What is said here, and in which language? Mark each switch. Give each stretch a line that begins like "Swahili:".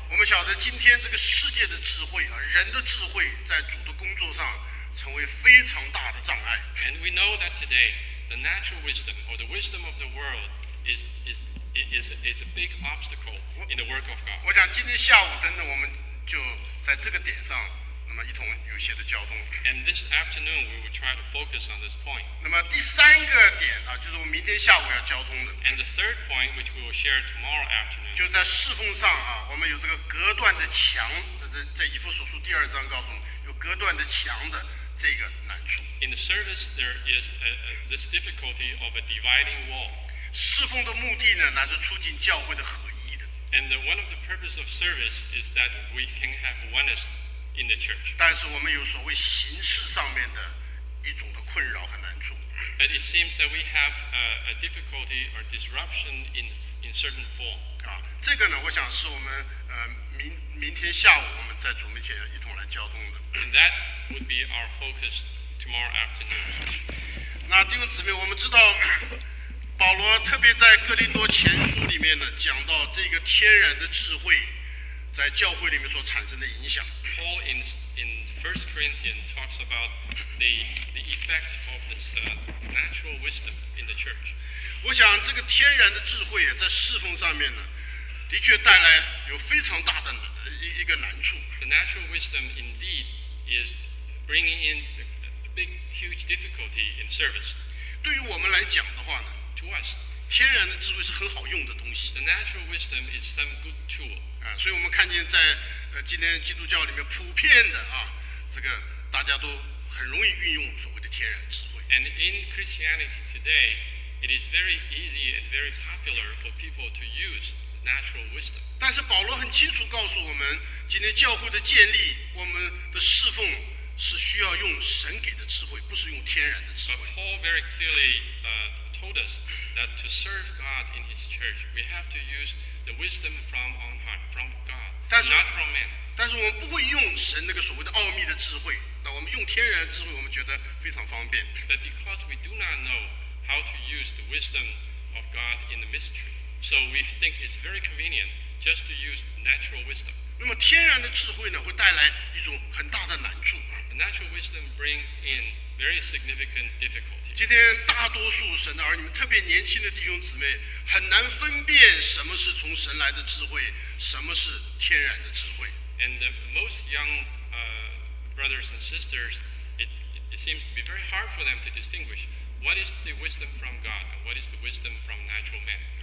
Chinese: 我们晓得今天这个世界的智慧啊，人的智慧在主的工作上。成为非常大的障碍。
English: And we know that today, the natural wisdom or the wisdom of the world is a big obstacle in the work of God.
Chinese: 我想今天下午等等，我们就在这个点上，那么一同有些的交通。
English: And this afternoon, we will try to focus on this point.
Chinese: 那么第三个点啊，就是我们明天下午要交通的。
English: And the third point, which we will share tomorrow afternoon,
Chinese: 就在侍奉上啊，我们有这个隔断的墙，在以弗所书第二章告诉我们。隔断的墙的这个难处。
English: In the service, there is this difficulty of a dividing wall.
Chinese: 侍奉的目的呢，乃是促进教会的合一的。
English: And one of the purposes of service is that we can have oneness in the church.
Chinese: 但是我们有所谓形式上面的一种的困扰和难处。
English: But it seems that we have a difficulty or disruption in certain form.
Chinese: 啊，这个呢，我想是我们明天下午我们在主面前一同来交通的。
English: And that would be our focus tomorrow afternoon.
Chinese: 那弟兄姊妹，我们知道保罗特别在哥林多前书里面呢，讲到这个天然的智慧在教会里面所产生的影响。
English: Paul in First Corinthians talks about the effect of this natural wisdom in the church.
Chinese: 我想这个天然的智慧在侍奉上面呢，的确带来有非常大的一个难处。
English: The natural wisdom indeed is bringing in a big, huge difficulty in service.
Chinese: 对于我们来讲的话呢
English: ，to us，
Chinese: 天然的智慧是很好用的东西。
English: The natural wisdom is some good tool.
Chinese: 啊，所以我们看见在今天基督教里面普遍的啊，这个大家都很容易运用所谓的天然智慧。
English: And in Christianity today, it is very easy and very popular for people to use natural wisdom.
Chinese: 但是保罗很清楚告诉我们。今天教会的建立，我们的侍奉是需要用神给的智慧，不是用天然的智慧。
English: But Paul very clearly told us that to serve God in His church, we have to use the wisdom from on high, from God, not from man.
Chinese: 但是我们不会用神那个所谓的奥秘的智慧，那我们用天然的智慧，我们觉得非常方便。
English: But because we do not know how to use the wisdom of God in the mystery, so we think it's very convenient just to use natural wisdom.
Chinese: 那么天然的智慧呢，会带来一种很大的难处。
English: The natural wisdom brings in very significant difficulty.
Chinese: 今天大多数神的儿女们，特别年轻的弟兄姊妹，很难分辨什么是从神来的智慧，什么是天然的智慧。
English: And the most young brothers and sisters, it seems to be very hard for them to distinguish what is the wisdom from God and what is the wisdom from natural man.